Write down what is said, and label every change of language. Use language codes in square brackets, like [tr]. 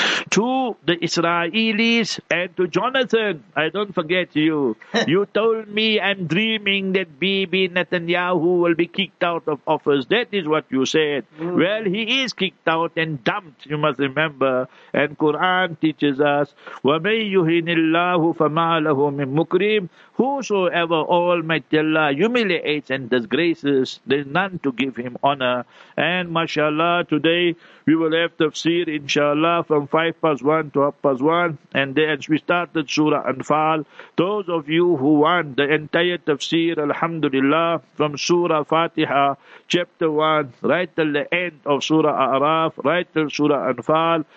[en] To the Israelis and to Jonathan, I don't forget you. You told me I'm dreaming that Bibi Netanyahu will be kicked out of office. That is what you said. Mm. Well, he is kicked out and dumped, you must remember. And Quran teaches us, [ar] وَمَنْ يُهِنِ اللَّهُ فَمَا لَهُ مِنْ مُكْرِيمٍ. [en] Whosoever Almighty Allah humiliates and disgraces, there's none to give him honor. And mashallah, today we will have tafsir inshallah from 1:05 to 1:30. And then we started Surah Anfal. Those of you who want the entire tafsir, alhamdulillah, from Surah Fatiha, chapter 1, right till the end of Surah A'raf, right till Surah Anfal.